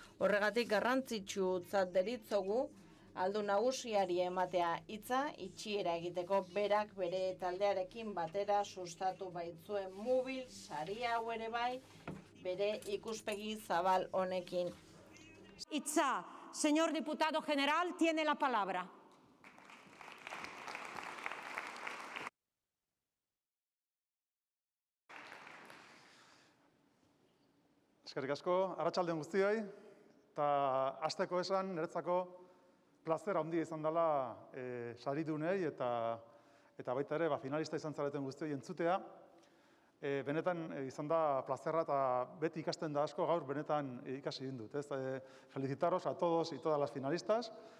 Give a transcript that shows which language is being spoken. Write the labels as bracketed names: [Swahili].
[Basque] Horregatik garrantzitsutzat deritzogu, aldu nagusiari ematea hitza, itxiera egiteko berak bere taldearekin batera sustatu baitzuen mubil, saria hau ere bai, bere ikuspegi zabal honekin. [Spanish] Itza, señor diputado general, tiene la palabra. [Basque] Eskerrik asko, arratsaldeon guztioi, eta hasteko esan niretzako plazera handia izan dela saridunei eta baita ere ba, finalista izan zareten guztioi entzutea. Benetan izan da plazerra eta beti ikasten da asko gaur benetan ikasi egin dut. [Spanish] Felicitaros a todos y todas las finalistas.